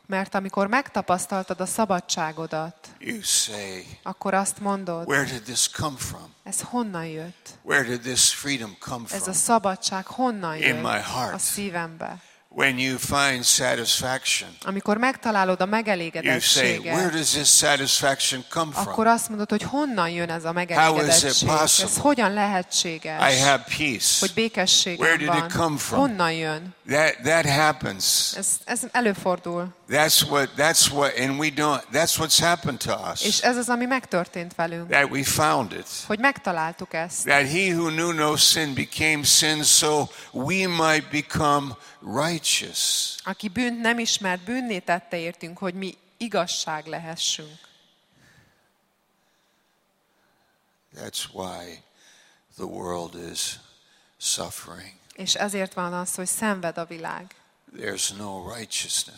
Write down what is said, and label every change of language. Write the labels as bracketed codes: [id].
[hu] Mert amikor megtapasztaltad a szabadságodat. [en] You say. [hu] Akkor azt mondod. [en] Where did this come from? [hu] Ez honnan jött? [en] Where did this freedom come from? [hu] Ez a szabadság honnan jött? [en] In my heart. [hu] A szívembe. [en] When you find satisfaction. [hu] Amikor megtalálod a megelégedettséget. [en] You say, where does this satisfaction come from? [hu] Akkor azt mondod, hogy honnan jön ez a megelégedettség? Ez hogyan lehetséges? [en] I have peace. [hu] Hogy békességem van. [en] Where did it come from? [hu] Honnan jön? [en] That happens. [hu] Ez előfordul. [en] That's what's happened to us. [hu] És ez az, ami megtörtént velünk. [en] That we found it. [hu] Hogy megtaláltuk ezt. [en] That he who knew no sin became sin so we might become righteous. [hu] Aki bűnt nem ismert, bűnné tette értünk, hogy mi igazság lehessünk. [en] That's why the world is suffering. [hu] És ezért van az, hogy szenved a világ. [en] There's no righteousness.